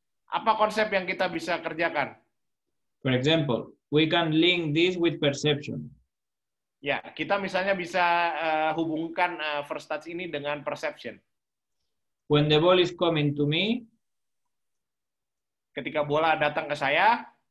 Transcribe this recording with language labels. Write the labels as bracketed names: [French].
[Indonesian] Apa konsep yang kita bisa kerjakan? [English] For example, we can link this with perception. [Indonesian] Ya, yeah, kita misalnya bisa hubungkan first touch ini dengan perception. [English] When the ball is coming to me, [Indonesian] ketika bola datang ke saya,